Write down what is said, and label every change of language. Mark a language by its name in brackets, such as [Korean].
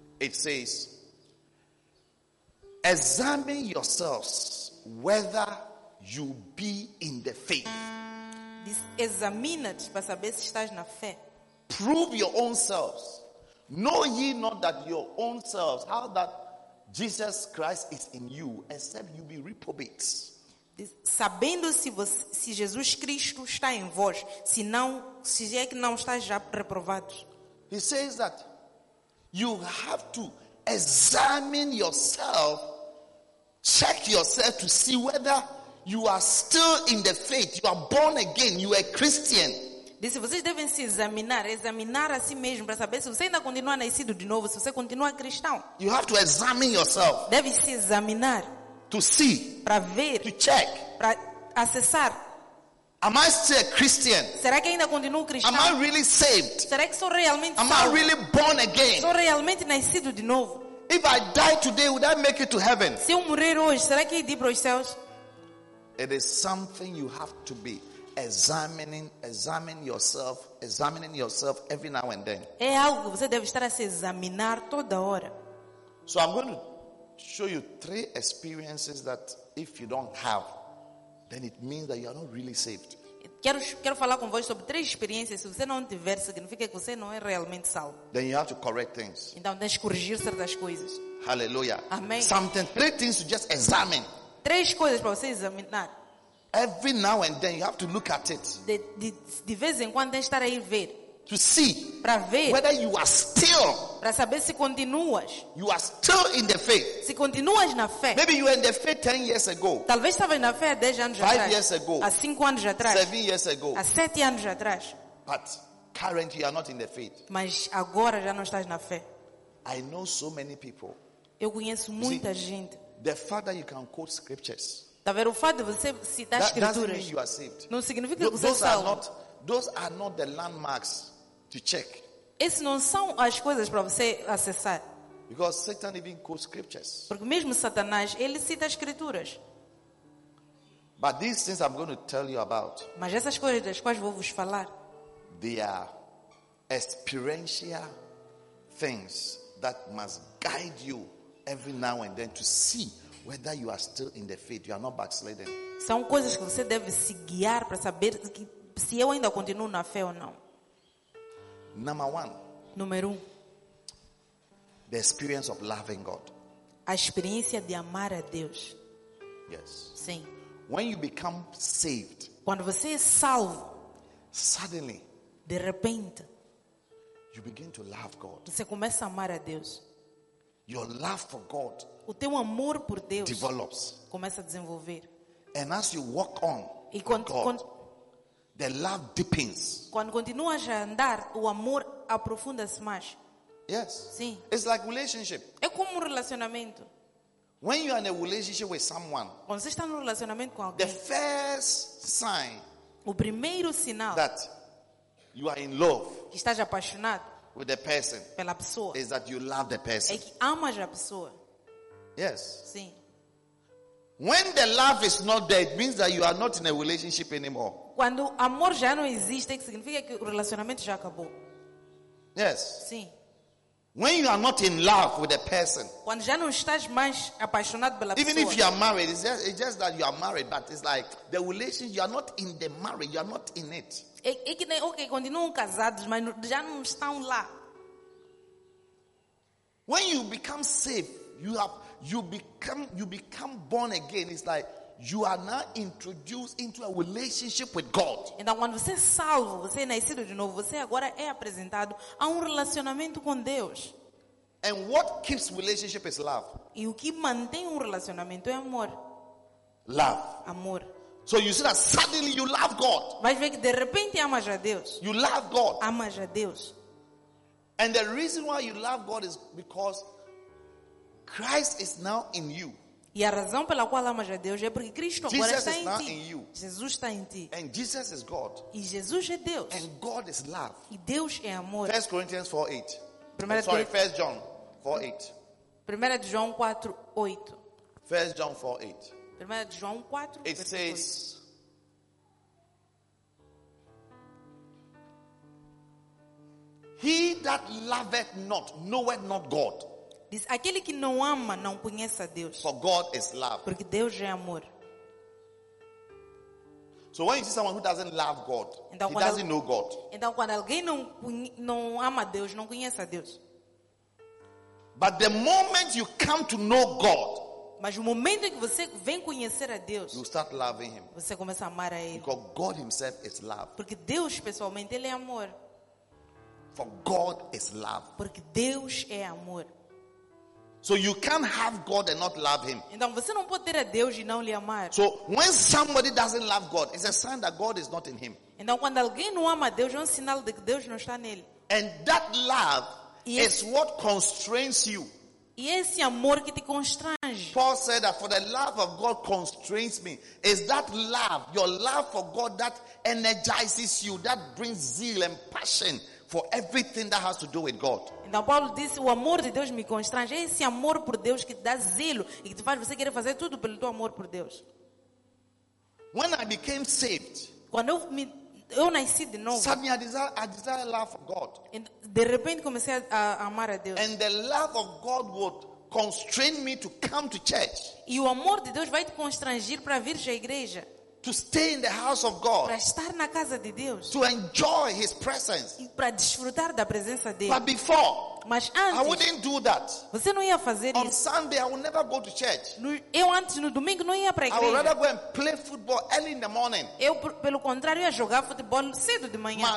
[English] It says, examine yourselves whether you be in the faith. [Portuguese] Diz, examina-te para saber se estás na fé. [English] Prove your own selves. Know ye not that your own selves, how that Jesus Christ is in you, except you be reprobates. [Portuguese] Sabendo se Jesus Cristo está em vós, se não, se é que não está já reprovado. [English] He says that you have to examine yourself, check yourself to see whether You are still in the faith. You are born again. You are a Christian. [Portuguese] Disse, vocês devem se examinar a si mesmo para saber se você ainda continua nascido de novo, se você continua cristão. [English] You have to examine yourself. [Portuguese] Deve se examinar. [English] To see. [Portuguese] Para ver. [English] To check. [Portuguese] Para acessar. [English] Am I still a Christian? [Portuguese] Será que ainda continuo cristão? [English] Am I really saved? [Portuguese] Será que sou realmente salvo? [English] Am I really born again? [Portuguese] Sou realmente nascido de novo? [English] If I die today, would I make it to heaven? [Portuguese] Se eu morrer hoje, será que irei para os céus? [English] It is something you have to be examining yourself every now and then. [Portuguese] É algo que você deve estar a se examinar toda hora. [English] So I'm going to show you three experiences that if you don't have, then it means that you are not really saved. [Portuguese] Quero falar com vocês sobre três experiências. Se você não tiver, significa que você não é realmente salvo. [English] Then you have to correct things. [Portuguese] Então tem que corrigir certas coisas. [English] Hallelujah. [Portuguese] Amém. [English] Something, three things to just examine. [Portuguese] Três coisas para você examinar. [English] Every now and then you have to look at it. [Portuguese] De vez em quando tem que estar aí ver. [English] To see. [Portuguese] Para ver. [English] Whether you are still. [Portuguese] Para saber se continuas. [English] You are still in the faith. [Portuguese] Se continuas na fé. [English] Maybe you were in the faith 10 years ago. [Portuguese] Talvez estava na fé 10 anos atrás. [English] 5 years ago. [Portuguese] Há 5 anos atrás. [English] 7 years ago. [Portuguese] Há 7 anos atrás. [English] But currently you are not in the faith. [Portuguese] Mas agora já não estás na fé. [English] I know so many people. [Portuguese] Eu conheço muita gente. [English] The fact that you can quote scriptures. [Portuguese] Tá vendo, o fato de você citar escrituras não significa que você é salvo. [English] Those are not the landmarks to check. [Portuguese] Esses não são as coisas para você acessar. [English] Because Satan even quotes scriptures. [Portuguese] Porque mesmo Satanás, ele cita escrituras. [English] But these things I'm going to tell you about. [Portuguese] Mas essas coisas das quais vou vos falar. [English] They are experiential things that must guide you every now and then to see whether you are still in the faith, you are not backsliding. [Portuguese] São coisas que você deve se guiar para saber se eu ainda continuo na fé ou não. [English] Number one. [Portuguese] Número um. [English] The experience of loving God. [Portuguese] A experiência de amar a Deus. [English] Yes. [Portuguese] Sim. [English] When you become saved. [Portuguese] Quando você é salvo. [English] Suddenly. [Portuguese] De repente. [English] You begin to love God. [Portuguese] Você começa a amar a Deus. [English] Your love for God. [Portuguese] O teu amor por Deus [English] develops. [Portuguese] Começa a desenvolver. [English] And as you walk on, [Portuguese] e quando, [English] God, the love deepens. [Portuguese] Quando continuas a andar, o amor aprofunda-se mais. [English] Yes. [Portuguese] Sim. [English] It's like relationship. [Portuguese] É como um relacionamento. [English] When you are in a relationship with someone, [Portuguese] quando você está num relacionamento com alguém, [English] the first sign, [Portuguese] o primeiro sinal [English] that you are in love, [Portuguese] que estás apaixonado [English] with the person, [Portuguese] pela pessoa, [English] is that you love the person. [Portuguese] É que amas a pessoa. [English] Yes. [Portuguese] Sim. [English] When the love is not there, it means that you are not in a relationship anymore. [Portuguese] Quando o amor já não existe, significa que o relacionamento já acabou. [English] Yes. [Portuguese] Sim. [English] When you are not in love with a person. [Portuguese] Quando já não estás mais apaixonado pela pessoa. [English] Even if you are married, it's just that you are married, but it's like the relationship, you are not in the marriage, you are not in it. [Portuguese] É que nem, okay, continuam casados, mas já não estão lá. [English] When you become saved, you become born again. It's like you are now introduced into a relationship with God. [Portuguese] Então, quando você é salvo, você é nascido de novo, você agora é apresentado a relacionamento com Deus. [English] And what keeps relationship is love. [Portuguese] E o que mantém relacionamento é amor. [English] Love. [Portuguese] Amor. [English] So you see that suddenly you love God. [Portuguese] Vai ver que de repente amas a Deus. [English] You love God. [Portuguese] Amas a Deus. [English] And the reason why you love God is because Christ is now in you. [Portuguese] E a razão pela qual amas a Deus é porque Cristo Jesus agora está [English] is [Portuguese] em [English] now [Portuguese] ti. [English] In you. [Portuguese] Jesus está em ti. [English] And Jesus is God. [Portuguese] E Jesus é Deus. [English] And God is love. [Portuguese] E Deus é amor. [English] 1 Corinthians 4:8. [Portuguese] Primeira [English] sorry, 1 John 4:8. [Portuguese] 1 João 4:8. [English] 1 John 4:8. [Portuguese] Primeira de João 4, [English] it says, he that loveth not knoweth not God. [Portuguese] Diz, aquele que não ama não conhece a Deus. [English] For God is love. [Portuguese] Porque Deus é amor. [English] So when you see someone who doesn't love God, [Portuguese] então, [English] he doesn't know God. [Portuguese] Então quando alguém não ama Deus, não conhece a Deus. [English] But the moment you come to know God, [Portuguese] mas o momento em que você vem conhecer a Deus, [English] you start loving him. [Portuguese] Você começa a amar a ele. [English] Because God himself is love. [Portuguese] Porque Deus pessoalmente ele é amor. [English] For God is love. [Portuguese] Porque Deus é amor. [English] So you can't have God and not love him. [Portuguese] Então você não pode ter a Deus e não lhe amar. [English] So when somebody doesn't love God, it's a sign that God is not in him. [Portuguese] Então quando alguém não ama a Deus, é sinal de que Deus não está nele. [English] And that love is what constrains you. [Portuguese] E esse amor que te constrange. [English] Paul said that for the love of God constrains me. Is that love, your love for God, that energizes you, that brings zeal and passion for everything that has to do with God. [Portuguese] Então Paulo disse, o amor de Deus me constrange. É esse amor por Deus que te dá zelo e que te faz você querer fazer tudo pelo teu amor por Deus. [English] When I became saved, [Portuguese] quando eu nasci de novo, [English] suddenly I desire love for God. [Portuguese] De repente comecei a amar a Deus. [English] And the love of God would constrain me to come to church. [Portuguese] E o amor de Deus vai te constranger para vir à igreja. [English] To stay in the house of God. [Portuguese] Para estar na casa de Deus. [English] To enjoy his presence. [Portuguese] E para desfrutar da presença dele. [English] But before, [Portuguese] mas antes, [English] I wouldn't do that. [Portuguese] Você não ia fazer [English] on [Portuguese] isso. [English] On Sunday, I would never go to church. [Portuguese] Eu antes, no domingo, não ia para a igreja. [English] I would rather go and play football early in the morning. [Portuguese] Eu, pelo contrário, ia jogar futebol cedo de manhã.